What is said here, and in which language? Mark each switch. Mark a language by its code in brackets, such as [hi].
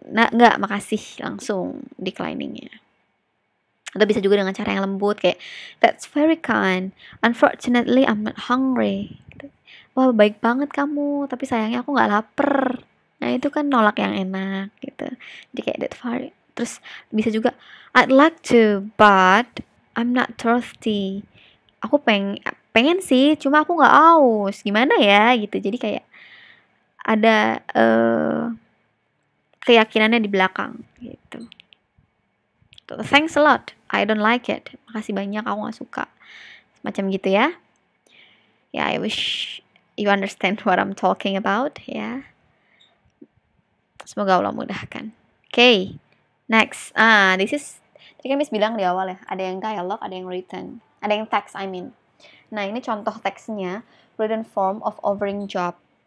[id] Nah, enggak, makasih langsung declining-nya. Atau bisa juga dengan cara yang lembut kayak, [en] that's very kind. Unfortunately, I'm not hungry. [id] Wah, baik banget kamu. Tapi sayangnya aku gak lapar. Nah, itu kan nolak yang enak gitu. Jadi kayak [en] that's very. [id] Terus bisa juga [en] I'd like to, but I'm not thirsty. [id] Aku pengen sih, cuma aku gak aus. Gimana ya gitu. Jadi kayak ada keyakinannya di belakang gitu. [en] Thanks a lot, I don't like it. [id] Makasih banyak, aku gak suka. Semacam gitu ya. [en] Ya, yeah, I wish you understand what I'm talking about ya. [id] Yeah. Semoga Allah mudahkan. Okay. [en] Next, this is, [id] tadi kan Miss bilang di awal ya, ada yang dialogue, ada yang written, ada yang text, [en] I mean. [id] Nah, ini contoh teksnya, [en] written form of offering job.